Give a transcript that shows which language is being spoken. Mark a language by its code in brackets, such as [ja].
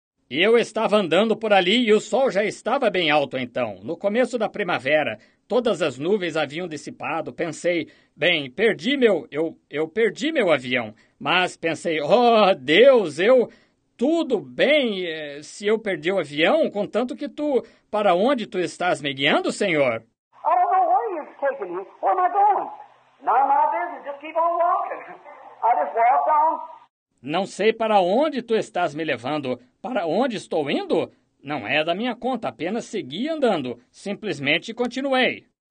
[pt] E eu estava andando por ali e o sol já estava bem alto então, no começo da primavera. Todas as nuvens haviam dissipado. Pensei, bem, perdi meu avião. Mas pensei, oh, Deus, eu, tudo bem se eu perdi o avião, contanto que tu, para onde tu estás me guiando, Senhor? [en] I don't know where you're taking me. Where am I going? None of my business. Just keep on walking. I just walked on. [pt] Não sei para onde tu estás me levando. Para onde estou indo? Não é da minha conta, apenas segui andando. Simplesmente continuei.